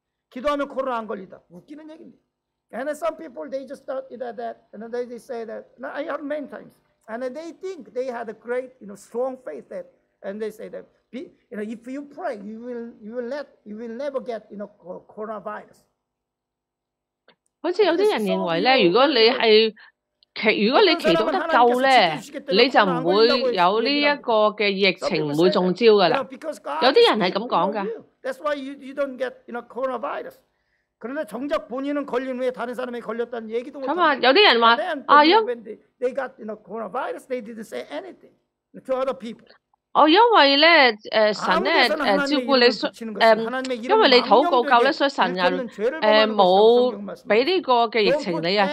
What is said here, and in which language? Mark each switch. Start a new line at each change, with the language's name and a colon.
Korean: 기도하면 코로나 안 걸리다 웃기는 얘기입니다
English: And some people they just thought that and they say that I heard many times and they think they had a great you know strong faith that and they say that. You know, if you pray, you will never get you know coronavirus.
Cantonese: 好似有啲人认为咧，如果你系如果你祈祷得够咧，你就唔会有呢一个嘅疫情唔会中招噶啦。有啲人系咁讲噶。
English: That's why you don't get coronavirus.
Korean: 그런데정작본인은걸린후에다른사람이걸렸다는얘기도
Cantonese: 咁啊，有啲人话啊，因
English: 为 they got coronavirus, they didn't say anything to other people.
Cantonese: 哦，因为咧，神咧，照顾你，因为你祷告够咧，所以神又冇俾呢个嘅疫情你啊。